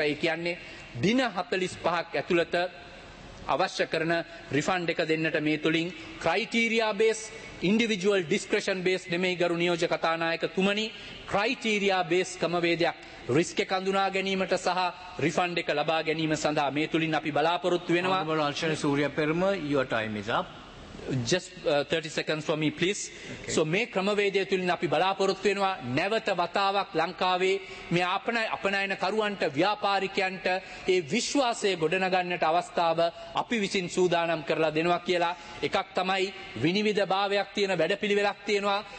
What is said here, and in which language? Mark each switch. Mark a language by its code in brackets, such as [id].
[si] ඒ කියන්නේ දින 45ක් ඇතුළත අවශ්‍ය කරන රිෆන්ඩ් එක දෙන්නට මේ තුලින් ක්‍රයිටීරියා බේස් ඉන්ඩිවිජුවල් ඩිස්ක්‍රෙෂන් බේස් නෙමෙයි ගරු නියෝජක කතානායක තුමනි ක්‍රයිටීරියා බේස් ක්‍රමවේදයක් රිස්ක් එක හඳුනා ගැනීමට සහ රිෆන්ඩ් එක ලබා ගැනීම සඳහා මේ තුලින් අපි බලාපොරොත්තු වෙනවා. ඔබ වහන්සේ [en] සූර්යපර්ම your time is up. Just 30 seconds for me please. Okay. [si] So මේ ක්‍රමවේදය තුලින් අපි බලාපොරොත්තු වෙනවා නැවත වතාවක් ලංකාවේ මේ අපනයන කරුවන්ට ව්‍යාපාරිකයන්ට ඒ විශ්වාසය ගොඩනගන්නට අවස්ථාව අපි විසින් සූදානම් කරලා දෙනවා කියලා. එකක් තමයි විනිවිද භාවයක් තියෙන වැඩපිළිවෙලක් තියෙනවා.